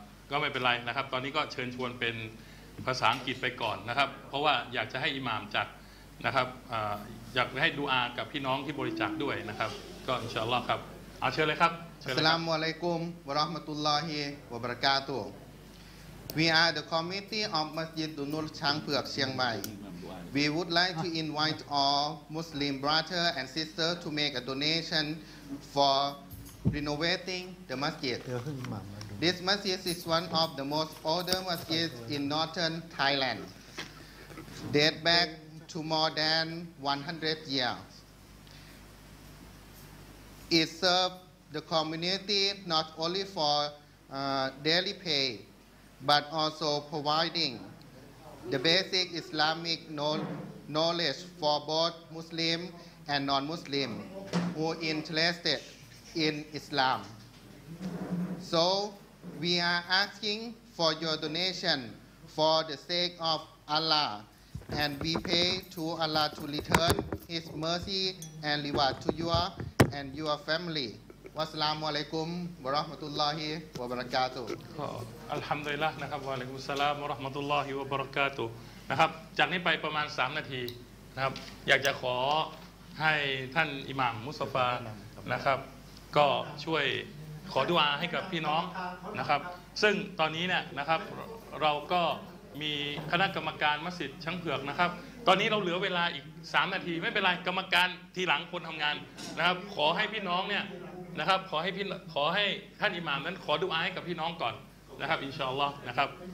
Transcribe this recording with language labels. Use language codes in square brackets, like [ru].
[th] ก็ไม่เป็นไรนะครับตอนนี้ก็เชิญชวนเป็นภาษาอังกฤษไปก่อนนะครับเพราะว่าอยากจะให้อิหม่ามจัดนะครับอยากให้ดุอากับพี่น้องที่บริจาคด้วยนะครับก็อินชาอัลเลาะห์ครับเอาเชิญเลยครับ [ar] Assalamu alaikum warahmatullahi wabarakatuh. [en] We are the committee of Masjid Dunul Chang Phuek Chiang Mai. We would like to invite all Muslim brother and sister to make a donation for renovating the masjid. This masjid is one of the most older masjids in northern Thailand, date back to more than 100 years. It serves the community not only for daily pay but also providing the basic Islamic knowledge for both Muslim and non-Muslim who are interested in Islam. So we are asking for your donation for the sake of Allah, and we pray to Allah to return His mercy and reward to you and your family. [ar] วัสลามุอะลัยกุมวะเราะห์มะตุลลอฮิวะบะเราะกาตุ [th] ฮ์ [ar] อัลฮัมดุลิลลาห์ [th] นะครับ [ar] วะอะลัยกุมสสลามวะเราะห์มะตุลลอฮิวะบะเราะกาตุฮ์ [th] นะครับจากนี้ไปประมาณ3นาทีนะครับอยากจะขอ ให้ท่านอิหม่ามมุสตะฟานะครับก็ช่วยขอดุอาให้กับพี่น้องนะครับซึ่งตอนนี้เนี่ยนะครับเราก็มีคณะกรรมการมัสยิดช้างเผือกนะครับตอนนี้เราเหลือเวลาอีก3นาทีไม่เป็นไรกรรมการทีหลังคนทํางานนะครับขอให้พี่น้องเนี่ยนะครับขอให้พี่ขอให้ท่านอิหม่ามนั้นขอดุอาอ์ให้กับพี่น้องก่อนนะครับอินชาอัลเลาะห์นะครับ